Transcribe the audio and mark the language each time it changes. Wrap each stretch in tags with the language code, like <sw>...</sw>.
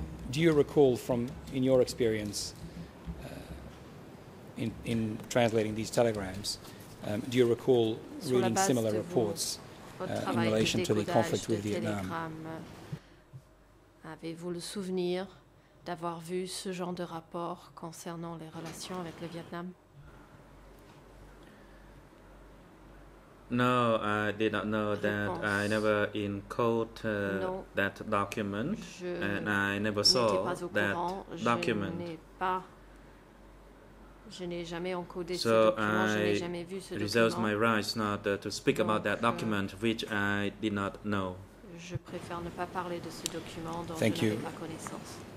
<en>Do you recall from in your experience in translating these telegrams, do you recall reading similar reports in relation to the conflict with Vietnam?</en> <fr>Avez-vous le souvenir d'avoir vu ce genre de rapport concernant les relations avec le Vietnam?</fr> <en>No, I did not know that. I never encountered that document, and I never saw that document.</en> <fr>Je n'ai jamais encodé ce document, je n'ai jamais vu ce document.</fr> <en>So I reserve my rights not to speak about that document, which I did not know.</en> <fr>Je préfère ne pas parler de ce document dont je n'avais pas connaissance.</fr>